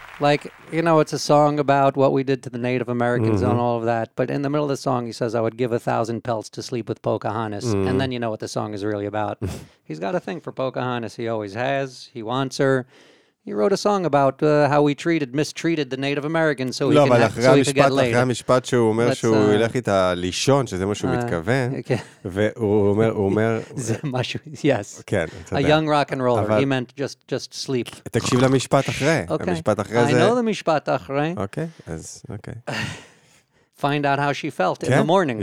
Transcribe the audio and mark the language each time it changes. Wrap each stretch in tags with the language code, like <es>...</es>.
<en>Like, you know, it's a song about what we did to the Native Americans mm-hmm. and all of that. But in the middle of the song, he says, I would give 1,000 pelts to sleep with Pocahontas. Mm. And then you know what the song is really about. He's got a thing for Pocahontas. He always has. He wants her. He wrote a song about how we mistreated the Native Americans so he could get laid. No, but after the</en> <he>משפט שהוא אומר שהוא ילך איתה לישון, שזה מה שהוא מתכוון, והוא אומר... זה משהו, yes. כן,</he> <en>a young rock and roller, he meant just sleep.</en> <he>תקשיב למשפט אחרי. המשפט אחרי זה...</he> <en>I know the</en> <he>משפט אחרי. אוקיי, אז אוקיי.</he> <en>Find out how she felt in the morning.</en>